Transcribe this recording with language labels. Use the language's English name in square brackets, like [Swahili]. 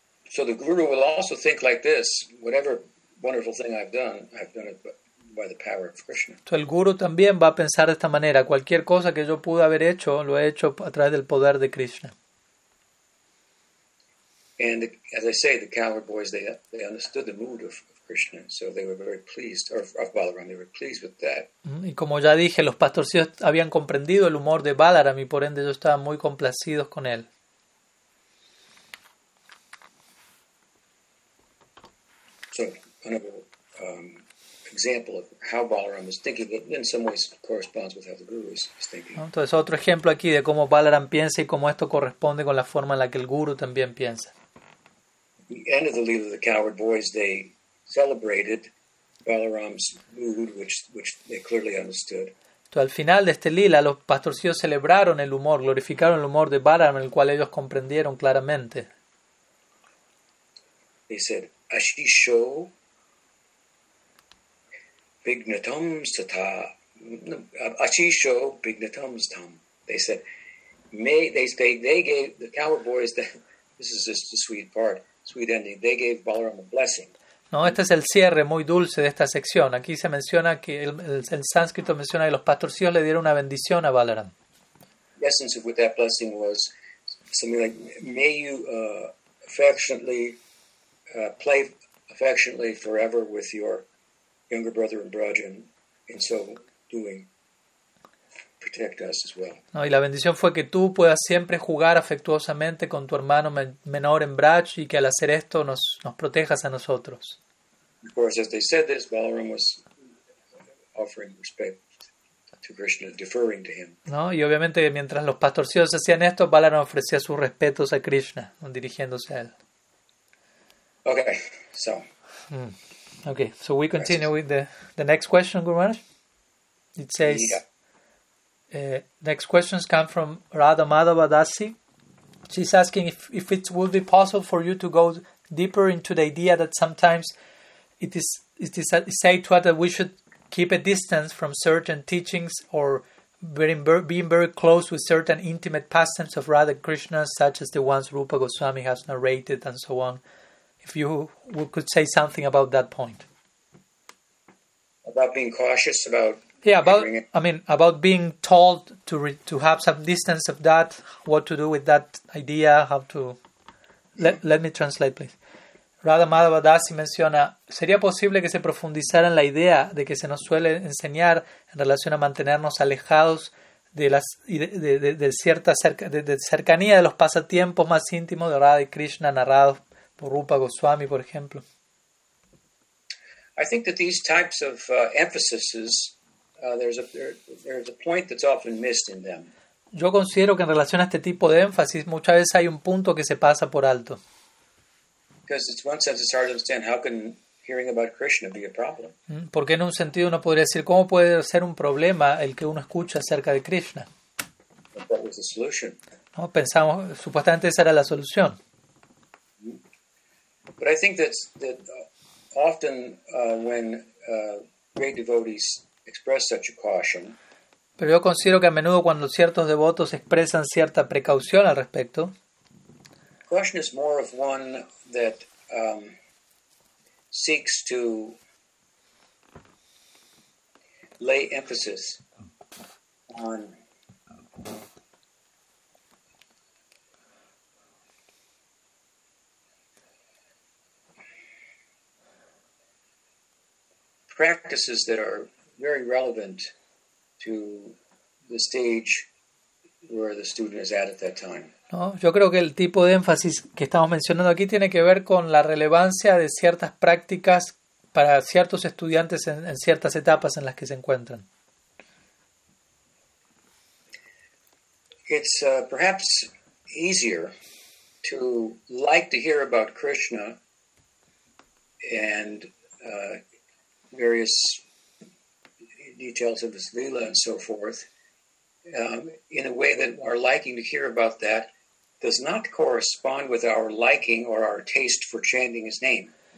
[English] So the guru will also think like this, whatever wonderful thing I've done it by the power of Krishna. [Spanish] Entonces el guru también va a pensar de esta manera, cualquier cosa que yo pude haber hecho, lo he hecho a través del poder de Krishna. [English] And as I say, the coward boys, they understood the mood of Krishna, so they were very pleased, or of Balaram, they were pleased with that. [Spanish] Y como ya dije, los pastorcillos habían comprendido el humor de Balaram y por ende ellos estaban muy complacidos con él. [English] So another example of how Balaram is thinking, it in some ways corresponds with how the guru is thinking. [Spanish] Entonces otro ejemplo aquí de cómo Balaram piensa y cómo esto corresponde con la forma en la que el guru también piensa. [English] At the end of the leader of the coward boys, they celebrated Balaram's mood, which they clearly understood. [Spanish] Entonces, al final de este lila, los pastorcillos celebraron el humor, glorificaron el humor de Balaram, el cual ellos comprendieron claramente. [English] They said, [Sanskrit] Ashisho Bignatam Sata. Ashisho Bignatam Stam. [English] They said, they gave the coward boys, this is just a sweet part, sweet ending. They gave Balaram a blessing. [Spanish] No, este es el cierre muy dulce de esta sección. Aquí se menciona que el sánscrito menciona que los pastorcillos le dieron una bendición a Balaram. [English] The essence of what that blessing was something like, may you affectionately. Play affectionately forever with your younger brother in Braja, and in so doing, protect us as well. [Spanish] No, y la bendición fue que tú puedas siempre jugar afectuosamente con tu hermano menor en Braj y que al hacer esto nos protejas a nosotros. [English] Of course, as they said this, Balaram was offering respect to Krishna, deferring to him. [Spanish] No, y obviamente mientras los pastorcillos hacían esto, Balaram ofrecía sus respetos a Krishna, dirigiéndose a él. [English] Okay, so. Okay, so we continue with the next question, Guru Maharaj. It says, next questions come from Radha Madhava Dasi. She's asking if it would be possible for you to go deeper into the idea that sometimes it is said to us that we should keep a distance from certain teachings or being very close with certain intimate pastimes of Radha Krishna, such as the ones Rupa Goswami has narrated and so on. If you could say something about that point. About being cautious about... Yeah, about being told to have some distance of that, what to do with that idea, how to... Let me translate, please. [Spanish] Radha Madhava Dasi menciona, ¿sería posible que se profundizara en la idea de que se nos suele enseñar en relación a mantenernos alejados de cercanía de los pasatiempos más íntimos de Radha y Krishna narrados por Rupa Goswami, por ejemplo? [English] I think that these types of emphases, there's a point that's often missed in them. [Spanish] Yo considero que en relación a este tipo de énfasis, muchas veces hay un punto que se pasa por alto. [English] Because it's one sense it's hard to understand how can hearing about Krishna be a problem. [Spanish] Porque en un sentido uno podría decir cómo puede ser un problema el que uno escucha acerca de Krishna. [English] But that was the solution. [Spanish] No, pensamos, supuestamente esa era la solución. [English] But I think that often when great devotees express such a caution. [Spanish] Pero yo considero que a menudo cuando ciertos devotos expresan cierta precaución al respecto. [English] Caution is more of one that seeks to lay emphasis on. Practices that are very relevant to the stage where the student is at that time. [Spanish] No, yo creo que el tipo de énfasis que estamos mencionando aquí tiene que ver con la relevancia de ciertas prácticas para ciertos estudiantes en ciertas etapas en las que se encuentran. [English] It's perhaps easier to like to hear about Krishna and various details of his lila and so forth, in a way that our liking to hear about that does not correspond with our liking or our taste for chanting his name.